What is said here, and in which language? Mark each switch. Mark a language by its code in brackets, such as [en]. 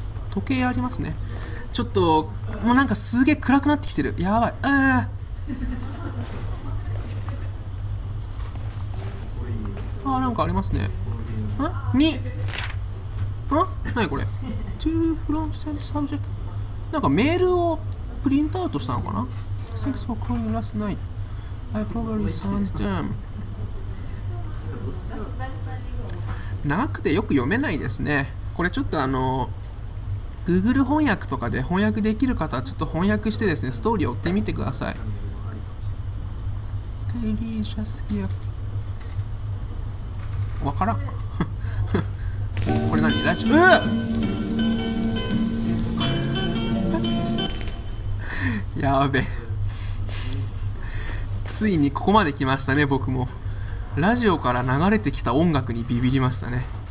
[ja] 時計ありますね。ちょっともうなんかすげえ暗くなってきてる、やばい。あーあー、なんかありますね。あ、に、あ、なにこれ。 [en] To from sent subject、 [ja] なんかメールをプリントアウトしたのかな。 [en] Thanks for calling last night. I probably sent them。 [ja] 長くてよく読めないですね、これ。ちょっとあのGoogle 翻訳とかで翻訳できる方はちょっと翻訳してですね、ストーリー追ってみてください。テリーシャスギア、わからんこれ何、ラジオ、うやべついにここまで来ましたね。僕もラジオから流れてきた音楽にビビりましたね。